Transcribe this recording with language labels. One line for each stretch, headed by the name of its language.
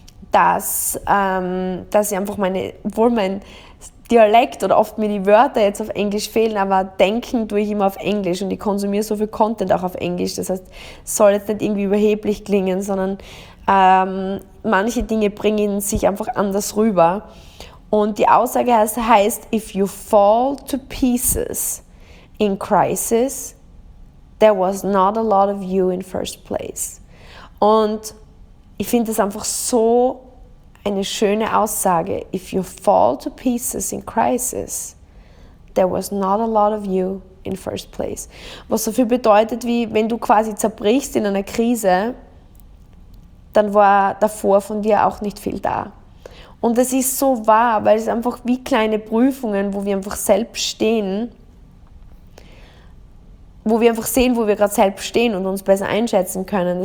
German: Dass ich einfach obwohl mein Dialekt oder oft mir die Wörter jetzt auf Englisch fehlen, aber denken tue ich immer auf Englisch und ich konsumiere so viel Content auch auf Englisch. Das heißt, soll jetzt nicht irgendwie überheblich klingen, sondern manche Dinge bringen sich einfach anders rüber. Und die Aussage heißt,
English: if you fall to pieces in crisis, there was not a lot of you in first place.
German: Und ich finde das einfach so eine schöne Aussage.
English: If you fall to pieces in crisis, there was not a lot of you in first place.
German: Was so viel bedeutet, wie wenn du quasi zerbrichst in einer Krise, dann war davor von dir auch nicht viel da. Und das ist so wahr, weil es einfach wie kleine Prüfungen, wo wir einfach selbst stehen, wo wir einfach sehen, wo wir gerade selbst stehen und uns besser einschätzen können.